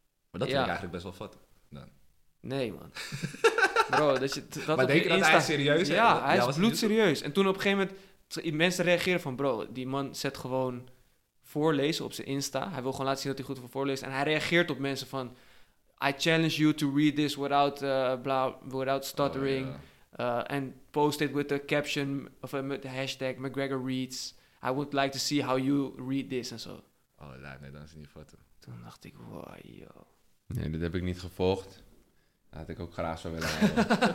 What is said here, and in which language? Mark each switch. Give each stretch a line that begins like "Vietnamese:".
Dutch: Maar dat vind ik eigenlijk best wel vat. Nee, man. Bro, dat je... Dat maar denk je dat hij serieus is? Ja, hij is bloedserieus. En toen op een gegeven moment... Mensen reageren van, bro, die man zet gewoon voorlezen op zijn Insta. Hij wil gewoon laten zien dat hij goed voor voorleest. En hij reageert op mensen van...
English: I challenge you to read this without, without stuttering. Oh, yeah. And post it with the caption of the hashtag McGregor Reads. I would like to see how you read this
Dutch: en zo. Oh, laat, nee, dan is het niet foto. Toen dacht ik, wow, yo. Nee, dat heb ik niet gevolgd. Dat had ik ook graag zo willen hebben.